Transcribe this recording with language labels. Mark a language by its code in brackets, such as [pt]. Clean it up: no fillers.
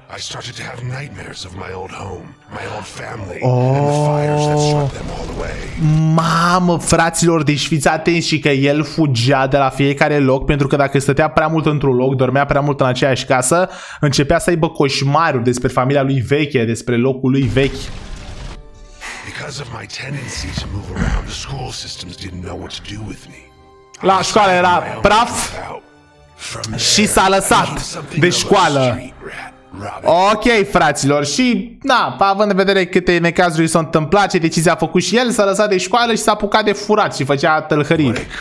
[en] I started to have nightmares of my old home, my old family, and the fires that shot them all away. [ro] Mamă, fraților, deci fiți atenți și că el fugea de la fiecare loc, pentru că dacă stătea prea mult într-un loc, dormea prea mult în aceeași casă, începea să aibă coșmaruri despre familia lui veche, despre locul lui vechi. [en] Because of my tendency to move around, the school systems didn't know what to do with me. [ro] La școală era praf și s-a lăsat de școală. Ok, fraților, și na, având în vedere câte necazuri s-au întâmplat, ce decizia a făcut și el, s-a lăsat de școală și s-a apucat de furat și făcea tâlhării.